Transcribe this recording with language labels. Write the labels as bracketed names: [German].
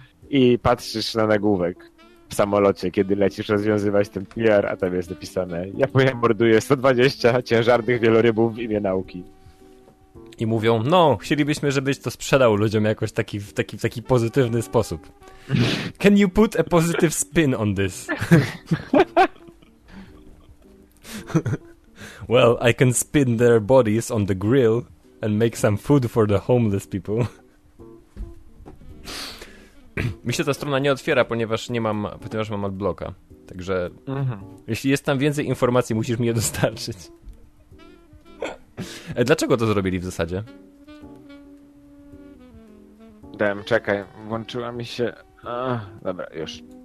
[Polish] I patrzysz na nagłówek w samolocie, kiedy lecisz rozwiązywać ten PR, a tam jest napisane, Japonia morduje 120 ciężarnych wielorybów w imię nauki. I mówią, no, chcielibyśmy, żebyś to sprzedał ludziom jakoś w taki pozytywny sposób. [English] Can you put a positive spin on this? Well, I can spin their bodies on the grill and make some food for the homeless people. [Polish] Mi się ta strona nie otwiera, ponieważ mam adblocka. Także jeśli jest tam więcej informacji, musisz mi je dostarczyć. Dlaczego to zrobili w zasadzie? Dem, czekaj, włączyła mi się... dobra, już.